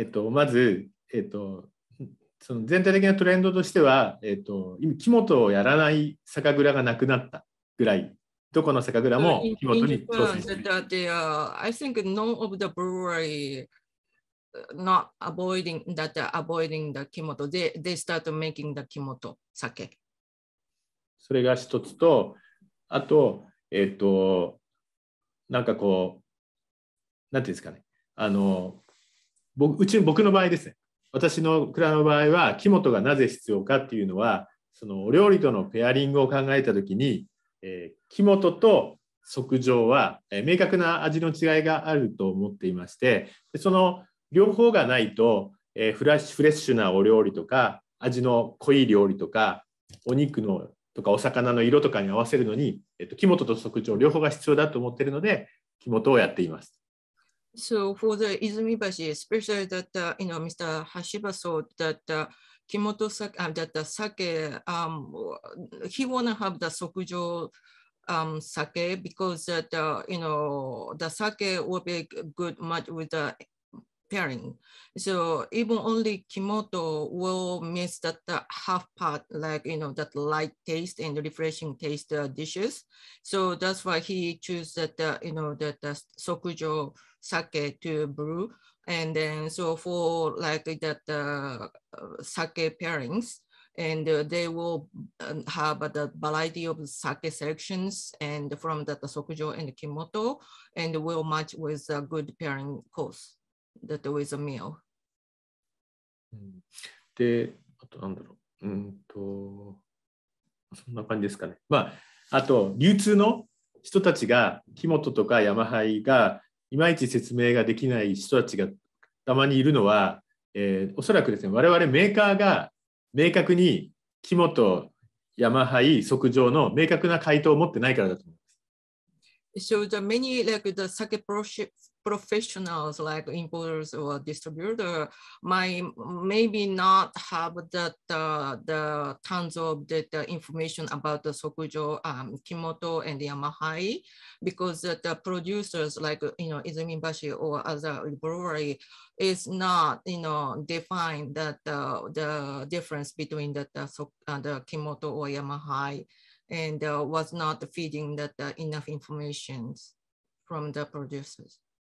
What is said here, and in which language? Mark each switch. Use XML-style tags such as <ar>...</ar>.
<ja>まず、その全体的なトレンドとしては、今キモトをやらない酒蔵がなくなったぐらい、どこの酒蔵もキモトに挑戦している。</ja> <en>That they are, I think none of the brewery not avoiding that avoiding the kimoto. They start making the kimoto sake.</en> <ja>それが一つと、あと、なんかこう、なんていうんですかね、あの、僕の場合ですね。私の蔵の場合は、キモトがなぜ必要かっていうのは、そのお料理とのペアリングを考えたときに、キモトと即上は、明確な味の違いがあると思っていまして、その両方がないと、フレッシュなお料理とか、味の濃い料理とか、お肉のとかお魚の色とかに合わせるのに、キモトと即上両方が必要だと思っているので、キモトをやっています。</ja> <en>So for the Izumibashi, especially that you know, Mr. Hashiba saw that Kimoto sake, that the sake, he wanna have the sokujo sake because that you know the sake will be good match with the pairing. So even only Kimoto will miss that half part, like you know that light taste and refreshing taste dishes. So that's why he choose that you know that the sokujo. Sake to brew, and then so for like that sake pairings, and they will have the variety of sake selections, and from that the sokujo and the kimoto, and will match with a good pairing course, that with a meal.</en> <ja>で、あとなんだろう、そんな感じですかね。まああと流通の人たちがキモトとかヤマハイがいまいち説明ができない人たちがたまにいるのは、おそらくですね、我々メーカーが明確にキモト、ヤマハイ、即上の明確な回答を持ってないからだと思います。</ja> <en>So the many like the sake professionals like importers or distributor might maybe not have the tons of the information about the Sokujo, Kimoto and the Yamahai, because the producers like, you know, Izumibashi or other brewery is not, you know, defined that the difference between the Kimoto or Yamahai, and was not feeding that enough information from the producers.</en>